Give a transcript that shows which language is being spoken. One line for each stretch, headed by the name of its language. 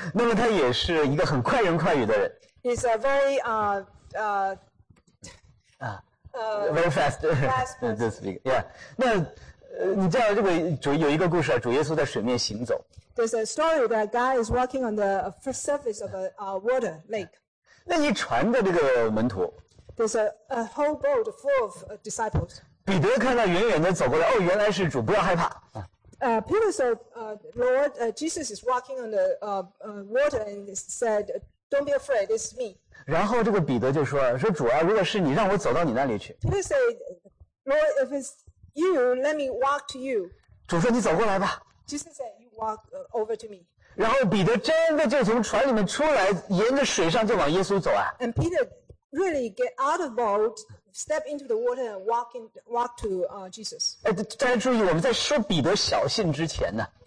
Chinese: 那么他也是一个很快人快语的人。
English: He's a very very fast. Fast to speak. Yeah.
Chinese: 那你知道这个主有一个故事啊，主耶稣在水面行走。
English: There's a story that God is walking on the surface of a water lake.
Chinese: 那一船的这个门徒。
English: There's a whole boat full of disciples.
Chinese: 彼得看到远远的走过来，哦，原来是主，不要害怕。
English: Peter said, Lord, Jesus is walking on the water and said, Don't be afraid, it's me.
Chinese: 然后这个彼得就说，说主啊，如果是你，让我走到你那里去。
English: Peter said, Lord, if it's you, let me walk to you.
Chinese: 主说你走过来吧。
English: Jesus said,Walk over to me.
Chinese: 然后彼得真的就从船里面出来，沿着水上就往耶稣走啊。
English: And Peter really get out of boat, step into the water, and walk to Jesus.
Chinese: 哎，大家注意，我们在说彼得小信之前呢。